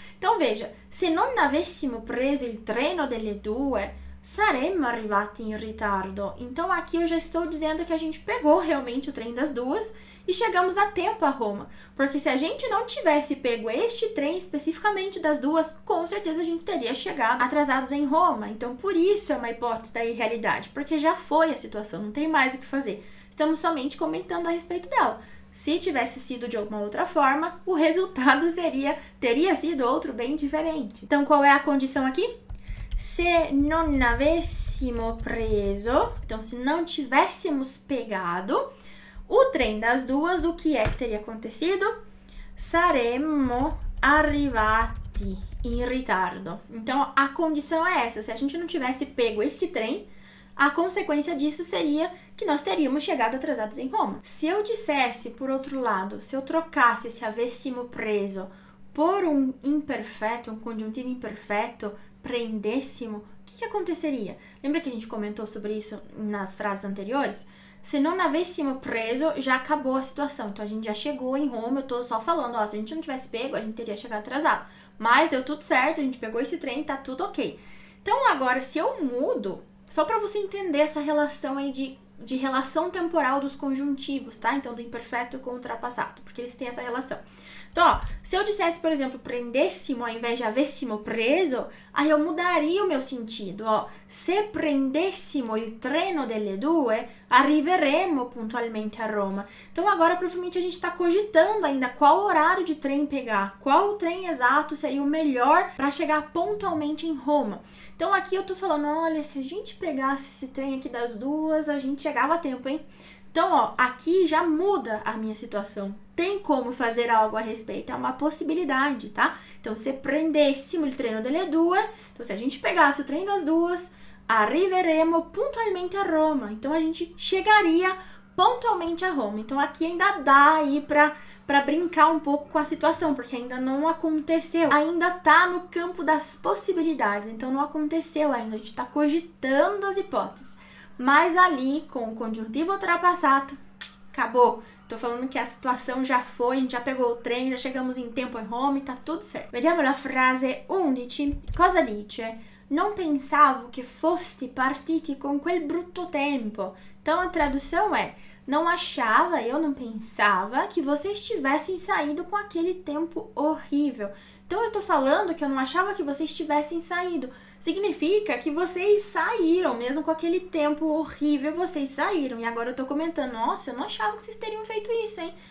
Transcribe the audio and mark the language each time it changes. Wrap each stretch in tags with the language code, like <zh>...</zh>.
<pt>Então veja,</pt> <it>se non avessimo preso il treno delle due, saremmo arrivati in ritardo.</it> <pt>Então aqui eu já estou dizendo que a gente pegou realmente o trem das duas e chegamos a tempo a Roma. Porque se a gente não tivesse pego este trem especificamente das duas, com certeza a gente teria chegado atrasados em Roma. Então por isso é uma hipótese da irrealidade, porque já foi a situação, não tem mais o que fazer. Estamos somente comentando a respeito dela. Se tivesse sido de alguma outra forma, o resultado seria, teria sido outro bem diferente. Então qual é a condição aqui?</pt> <it>Se non avessimo preso,</it> <pt>então se não tivéssemos pegado o trem das duas, o que é que teria acontecido?</pt> <it>Saremmo arrivati in ritardo.</it> <pt>Então a condição é essa: se a gente não tivesse pego este trem, a consequência disso seria que nós teríamos chegado atrasados em Roma. Se eu dissesse, por outro lado, se eu trocasse esse avessimo preso por um imperfeto, um conjuntivo imperfeto, prendessimo, o que que aconteceria? Lembra que a gente comentou sobre isso nas frases anteriores? Se não havêssemos preso, já acabou a situação. Então a gente já chegou em Roma. Eu tô só falando, ó, se a gente não tivesse pego, a gente teria chegado atrasado. Mas deu tudo certo, a gente pegou esse trem, tá tudo ok. Então agora, se eu mudo, só para você entender essa relação aí de relação temporal dos conjuntivos, tá? Então do imperfeito com o ultrapassado, porque eles têm essa relação. se eu dissesse, por exemplo, prendêssemo ao invés de avêssemo preso, aí eu mudaria o meu sentido, ó.</pt> <it>Se prendêssemo il treno delle due, arriveremmo puntualmente a Roma.</it> <pt>Então agora provavelmente a gente está cogitando ainda qual horário de trem pegar, qual trem exato seria o melhor para chegar pontualmente em Roma. Então aqui eu tô falando, olha, se a gente pegasse esse trem aqui das duas, a gente chegava a tempo, hein? Então, ó, aqui já muda a minha situação. Tem como fazer algo a respeito? É uma possibilidade, tá? Então,</pt> <it>se prendêssemo il treno delle due,</it> <pt>então se a gente pegasse o trem das duas,</pt> <it>arriveremo puntualmente a Roma.</it> <pt>Então, a gente chegaria pontualmente a Roma. Então, aqui ainda dá aí para brincar um pouco com a situação, porque ainda não aconteceu. Ainda tá no campo das possibilidades. Então, não aconteceu ainda. A gente está cogitando as hipóteses. Mas ali, com o conjuntivo ultrapassato, acabou. Tô falando que a situação já foi, a gente já pegou o trem, já chegamos em tempo em Roma e tá tudo certo.</pt> <it>Vediamo la frase 11. Cosa dice? Non pensavo che foste partiti con quel brutto tempo.</it> <pt>Então a tradução é: Não achava, eu não pensava que vocês tivessem saído com aquele tempo horrível. Então eu tô falando que eu não achava que vocês tivessem saído. Significa que vocês saíram, mesmo com aquele tempo horrível, vocês saíram. E agora eu tô comentando, nossa, eu não achava que vocês teriam feito isso, hein?</pt>